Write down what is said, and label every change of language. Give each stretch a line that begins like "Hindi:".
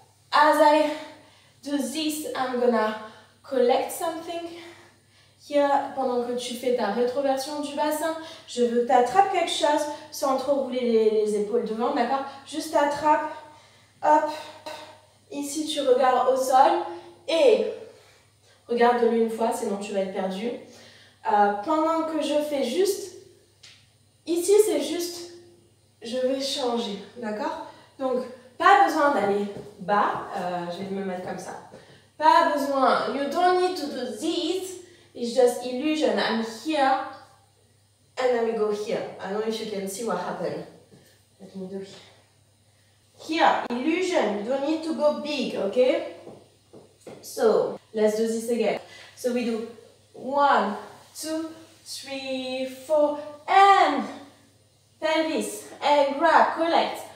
English: As I do this, I'm gonna collect something.
French: Here, pendant que tu fais ta rétroversion du bassin, je veux que tu attrapes quelque chose sans trop rouler les épaules devant, d'accord? Juste attrape, hop, ici tu regardes au sol et regarde-le une fois, sinon tu vas être perdu. Pendant que je fais juste, ici c'est juste, je vais changer, d'accord? Donc, pas besoin d'aller bas, je vais me mettre comme ça. Pas besoin,
English: you don't need to do this. It's just illusion. I'm here and then we go here. I don't know if you can see what happened. Let me do here. Illusion. You don't need to go big, okay? So, let's do this again. So we do 1, 2, 3, 4 and pelvis and grab, collect.